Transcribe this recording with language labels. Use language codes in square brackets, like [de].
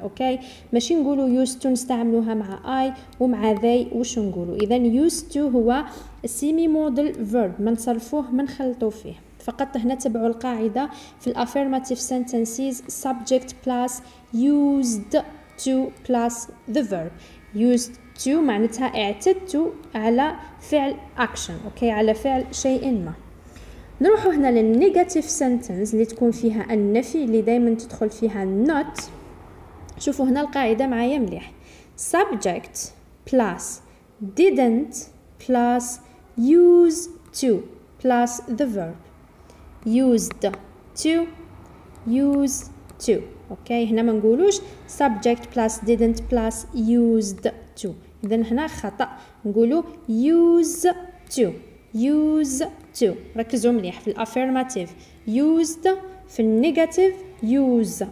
[ar] اوكي ماشي نقولوا used to نستعملوها مع I ومع they وش نقولوا. اذا used to هو semi modal verb ما نصرفوه ما نخلطوا فيه. فقط هنا تبعوا القاعده في الافيرماتيف sentences [en] subject plus used to plus the verb. [ar] used to معناتها اعتدت على فعل action. اوكي على فعل شيء ما. نروح هنا للنيجاتيف سنتنس اللي تكون فيها النفي اللي دائما تدخل فيها not. شوفوا هنا القاعده معايا مليح. [en] subject plus didn't plus used to plus the verb. used to, used to. [ar] اوكي هنا ما نقولوش [en] subject plus didn't plus used to. [ar] إذا هنا خطأ نقولوا use to. use to ركزوا مليح في الaffirmative used في النيجاتيف use.